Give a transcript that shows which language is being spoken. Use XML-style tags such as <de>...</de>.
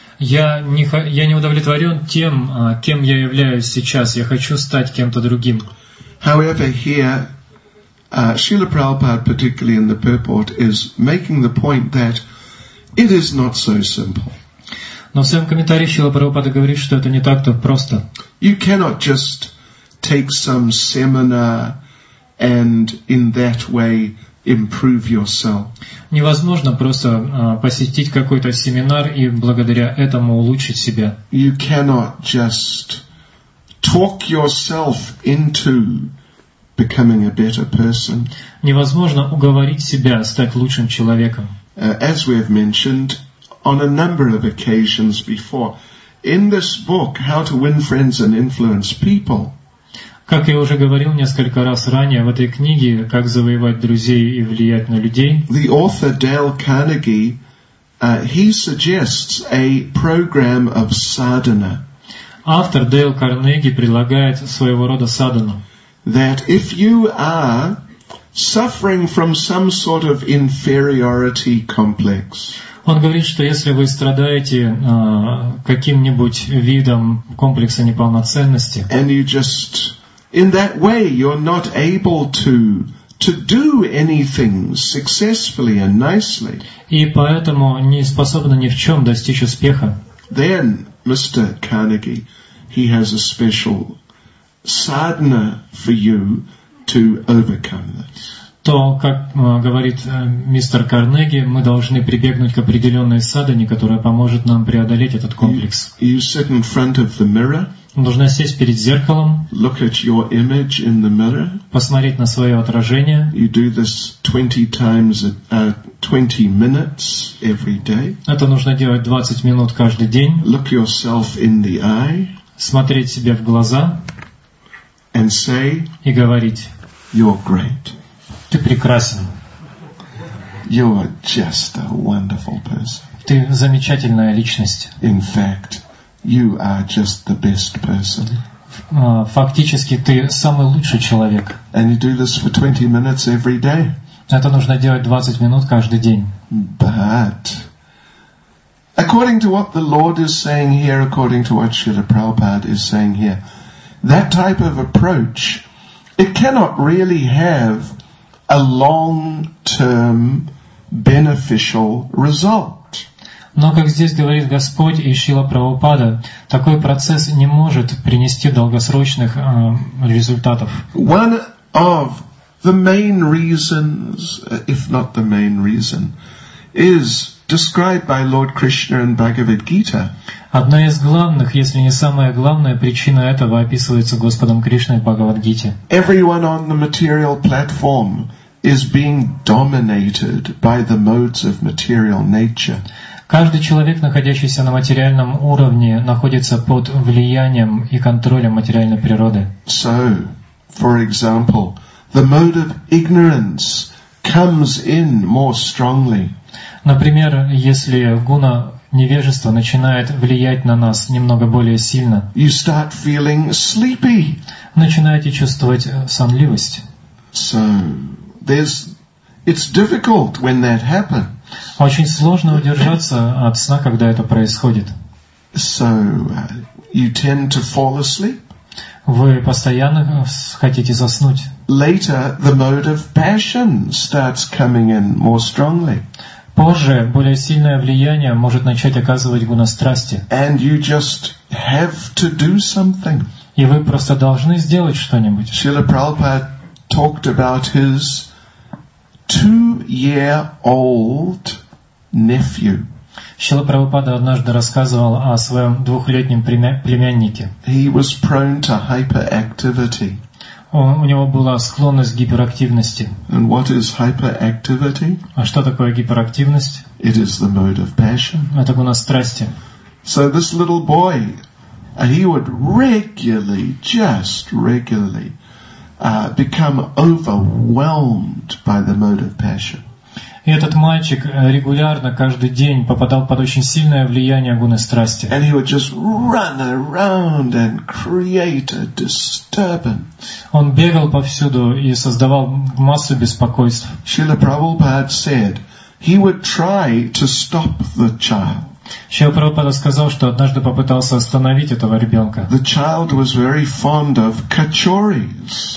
<ru>Я не удовлетворен тем, кем я являюсь сейчас. Я хочу стать кем-то другим.</ru> <en>However, here, Srila Prabhupada, particularly in the purport, is making the point that it is not so simple.</en> <ru>Но в своем комментарии Шрила Прабхупада говорит, что это не так-то просто.</ru> <en>You cannot just take some seminar and in that way improve yourself.</en> <ru>Невозможно просто посетить какой-то семинар и благодаря этому улучшить себя.</ru> <en>You cannot just talk yourself into becoming a better person.</en> <ru>Невозможно уговорить себя стать лучшим человеком.</ru> <en>As we have mentioned on a number of occasions before, in this book, How to Win Friends and Influence People.</en> <ru>Как я уже говорил несколько раз ранее в этой книге, как завоевать друзей и влиять на людей.</ru> <en>The author Dale Carnegie, he suggests a program of sadhana.</en> <ru>Автор Дейл Карнеги предлагает своего рода садхану.</ru> <en>That if you are suffering from some sort of inferiority complex.</en> <ru>Он говорит, что если вы страдаете каким-нибудь видом комплекса неполноценности,</ru> <en>and you just in that way you're not able to do anything successfully and nicely.</en> <ru>И поэтому не способны ни в чем достичь успеха.</ru> <en>Then Mr. Carnegie, he has a special sadhana for you to overcome this.</en> <ru>То, как говорит мистер Карнеги, мы должны прибегнуть к определенной садхане, которая поможет нам преодолеть этот комплекс.</ru> <en>You sit in front of the mirror,</en> <ru>нужно сесть перед зеркалом,</ru> <en>look at your image in the mirror,</en> <ru>посмотреть на свое отражение.</ru> <en>You do this 20 times, 20 minutes every day.</en> <ru>Это нужно делать 20 минут каждый день.</ru> <en>Look yourself in the eye,</en> <ru>смотреть себе в глаза</ru> <en>and say,</en> <ru>и говорить:</ru> <en>you're great.</en> <ru>Ты прекрасен.</ru> <en>You are just a wonderful person.</en> <ru>Ты замечательная личность.</ru> <en>In fact, you are just the best person.</en> <ru>Фактически, ты самый лучший человек.</ru> <en>And you do this for 20 minutes every day.</en> <ru>Это нужно делать 20 минут каждый день.</ru> <en>But according to what the Lord is saying here, according to what Srila Prabhupada is saying here, that type of approach, it cannot really have a long-term beneficial result.</en> <ru>Но, как здесь говорит Господь и Шрила Прабхупада, такой процесс не может принести долгосрочных результатов.</ru> <en>One of the main reasons, if not the main reason, is described by Lord Krishna in Bhagavad Gita.</en> <ru>Одна из главных, если не самая главная причина этого описывается Господом Кришной в Бхагавад-гите.</ru> <en>Everyone on the material platform is being dominated by the modes of material nature.</en> <ru>Каждый человек, находящийся на материальном уровне, находится под влиянием и контролем материальной природы.</ru> <en>So, for example, the mode of ignorance comes in more strongly.</en> <ru>Например, если гуна невежества начинает влиять на нас немного более сильно,</ru> <en>you start feeling sleepy.</en> <ru>Начинаете чувствовать сонливость.</ru> <en>So, it's difficult when that happens.</en> <ru>Очень сложно удержаться от сна, когда это происходит.</ru> <en>So, you tend to fall asleep.</en> <ru>Вы постоянно хотите заснуть.</ru> <en>Later, the mode of passion starts coming in more strongly.</en> <ru>Позже более сильное влияние может начать оказывать гуна-страсти.</ru> <en>And you just have to do something.</en> <ru>И вы просто должны сделать что-нибудь.</ru> <en>Шрила Прабхупада talked about his 2-year-old nephew.</en> <ru>Шрила Прабхупада однажды рассказывал о своем 2-летнем племяннике.</ru> <en>He was prone to hyperactivity.</en> <ru>У него была склонность к гиперактивности.</ru> <en>And what is hyperactivity?</en> <ru>А что такое гиперактивность?</ru> <en>It is the mode of passion.</en> <ru>Это гуна страсти.</ru> <en>So this little boy, he would regularly, just regularly, become overwhelmed by the mode of passion.</en> <ru>И этот мальчик регулярно каждый день попадал под очень сильное влияние гуны страсти.</ru> <en>And he would just run around and create a disturbance.</en> <ru>Он бегал повсюду и создавал массу беспокойств.</ru> <en>Шрила Прабхупада said he would try to stop the child.</en> <ru>Шрила Прабхупада сказал, что однажды попытался остановить этого ребенка.</ru> <en>The child was very fond of kachoris.</en>